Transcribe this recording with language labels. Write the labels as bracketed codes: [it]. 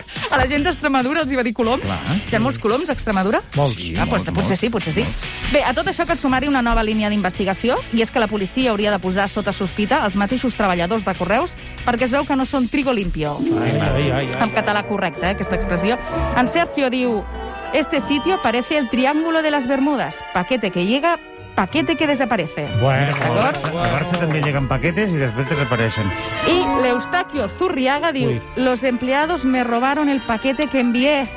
[ca] A la gent d'Extremadura els hi va dir coloms. Hi ha molts coloms a Extremadura? Molts. Potser sí. Bé, a tot això que et sumari una nova línia d'investigació, i és que la policia hauria de posar sota sospita els mateixos treballadors de Correus perquè es veu que no són [es] trigo limpio. [ca] En català correcte, aquesta expressió. En Sergio diu, [es] este sitio parece el triángulo de las Bermudas. Paquete que llega... paquete que desaparece. [ca] Bueno, a Barça també [es] lleguen paquetes [ca] i després desapareixen. I l'Eustaquio Zurriaga diu, [es] los empleados me robaron el paquete que envié.